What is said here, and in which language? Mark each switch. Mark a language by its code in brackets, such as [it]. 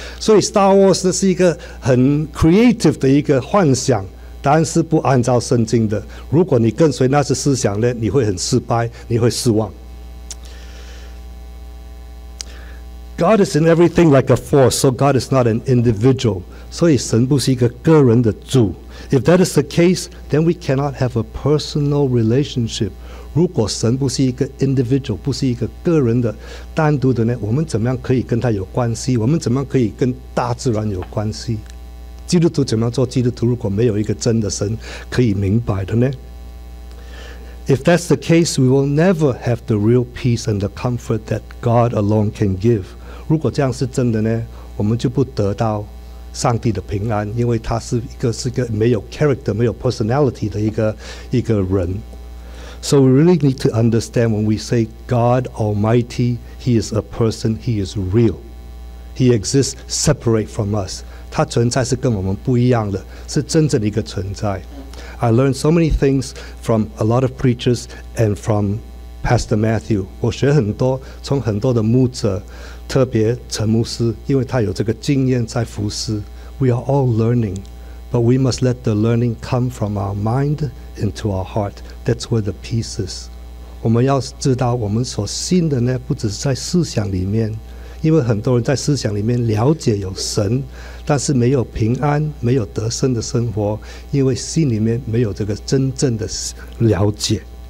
[zh] 所以 Star Wars 是一个很 creative 的一个幻想。但是不按照圣经的。如果你跟随那些思想呢，你会很失败，你会失望。 [en] God is in everything like a force, so God is not an individual. [zh] 所以神不是一个个人的主。 [en] If that is the case, then we cannot have a personal relationship. [zh] 如果神不是一个 individual, 不是一个个人的单独的呢，我们怎么样可以跟他有关系？我们怎么样可以跟大自然有关系？基督徒怎么样做基督徒？如果没有一个真的神可以明白的呢？ [en] If that's the case, we will never have the real peace and the comfort that God alone can give. [zh] 如果这样是真的呢，我们就不得到上帝的平安，因为他是一个没有 character, 没有 personality 的一个人。 [en] So we really need to understand when we say God Almighty, He is a person, He is real. He exists separate from us. [zh] 他存在是跟我们不一样的，是真正的一个存在。 [en] I learned so many things from a lot of preachers and from Pastor Matthew. [zh] 我学很多，从很多的牧者，特别陈牧师，因为他有这个经验在服侍。 [en] We are all learning, but we must let the learning come from our mind into our heart. That's where the peace is. [zh] 我们要知道我们所信的呢，不只是在思想里面，因为很多人在思想里面了解有神，但是没有平安，没有得胜的生活，因为心里面没有这个真正的了解。